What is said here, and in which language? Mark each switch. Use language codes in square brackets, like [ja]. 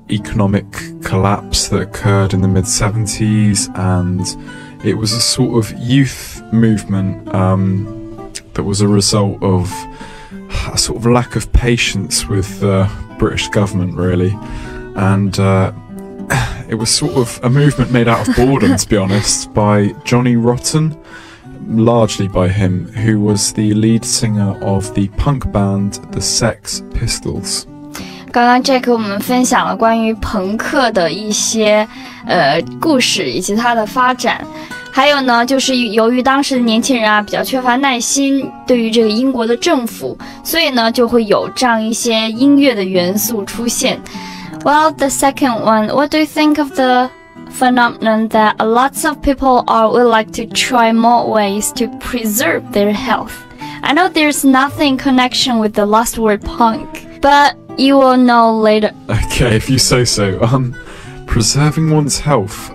[en] economic collapse that occurred in the mid-70s, and it was a sort of youth movement that was a result of a sort of lack of patience with the British government, really. And it was sort of a movement made out of boredom, to be honest, by Johnny Rotten, largely by him, who was the lead singer of the punk band The Sex Pistols. [zh] 刚刚 Jack 我们分享了关于朋克的一些故事以及它的发展，还有呢就是由于当时的年轻人啊比较缺乏耐心对于这个英国的政府，所以呢就会有这样一些音乐的元素出现。 [en] Well, the second one, what do you think of the phenomenon that lots of people are would like to try more ways to preserve their health? I know there's nothing connection with the last word punk, butYou will know later. Okay, if you say so. Preserving one's health.